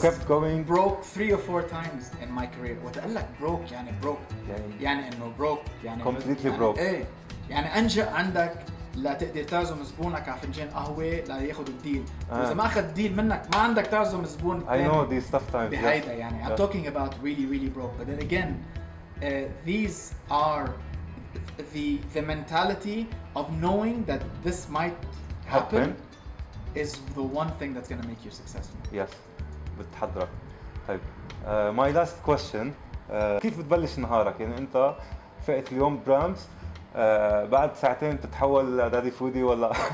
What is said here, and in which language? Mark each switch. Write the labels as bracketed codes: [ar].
[en] kept going broke 3 or 4 times in my career [ar] وتقول لك [en] broke يعني broke يعني انه broke يعني completely broke [ar] يعني انشأ عندك لا تقدر تعزم زبونك على فنجان قهوة لا ياخد الديل إذا ما أخذ الديل منك ما عندك تعزم زبون [en] I know these tough times [ar] بهيدا يعني [en] I'm talking about really really broke but then again these are the mentality of knowing that this might happen is the one thing that's gonna make you successful [ar] yes بتحضرك طيب [en] my last question [ar] كيف بتبلش نهارك يعني أنت فقت اليوم برامز بعد ساعتين تتحول لدادي فودي ولا